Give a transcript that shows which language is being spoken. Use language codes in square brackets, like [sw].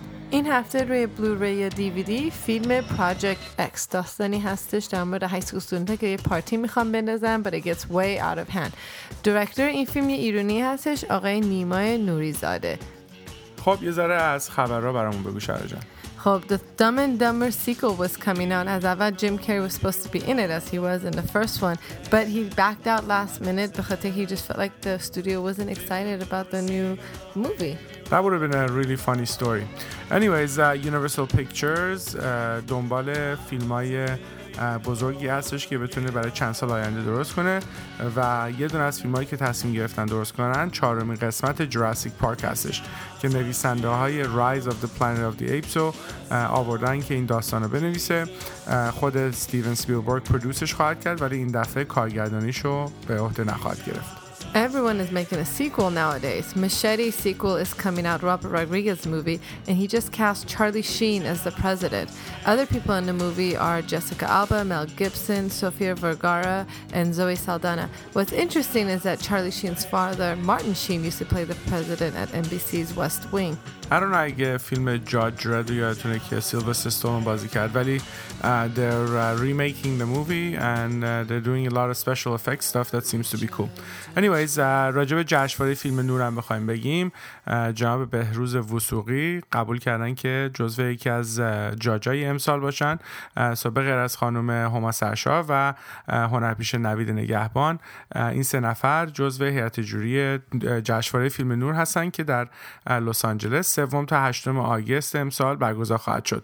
[fa] این هفته روی بلوری یا دیویدی فیلم Project X داستانی هستش در مورد های سکول ستودنت‌ها که یه پارتی میخوام بندازن [en] but it gets way out of hand. [fa] دایرکتور این فیلم یه ایرانی هستش، آقای نیما نوریزاده. خب یه ذره از خبرها برامون بگو شهر جان. خب [en] The Dumb and Dumber sequel was coming out. [fa] از اول [en] Jim Carrey was supposed to be in it as he was in the first one but he backed out last minute because he just felt like the studio wasn't excited about the new movie. That would have been a really funny story. Anyways, [fa] Universal Pictures دنبال فیلمای بزرگی هستش که بتونه برای چند سال آینده درست کنه و یه دونه از فیلمایی که تصمیم گرفتن درست کنن چهارمین قسمت جوراسیک پارک هستش که نویسنده های Rise of the Planet of the Apes رو آوردن که این داستان رو بنویسه. خود استیون اسپیلبرگ پرودوسرش خواهد کرد ولی این دفعه کارگردانیشو به عهده نخواهد گرفت. [en] Everyone is making a sequel nowadays. Machete sequel is coming out, Robert Rodriguez movie, and he just cast Charlie Sheen as the president. Other people in the movie are Jessica Alba, Mel Gibson, Sofia Vergara, and Zoe Saldana. What's interesting is that Charlie Sheen's father, Martin Sheen, used to play the president at NBC's West Wing. I don't know if the film Judge Dredd or Tony Kiss Sylvester Stallone was cast, but they're remaking the movie and they're doing a lot of special effects stuff that seems to be cool. Anyways, [fa] راجب جشنواره فیلم نور هم بخوایم بگیم، جناب بهروز وثوقی قبول کردن که جزو یکی از جاجای امسال باشن. به غیر از خانم هما سرشا و هنرپیشه نوید نگهبان، این سه نفر جزو هیئت جوری جشنواره فیلم نور هستن که در لس آنجلس 3 تا 8 آگوست امسال برگزار خواهد شد.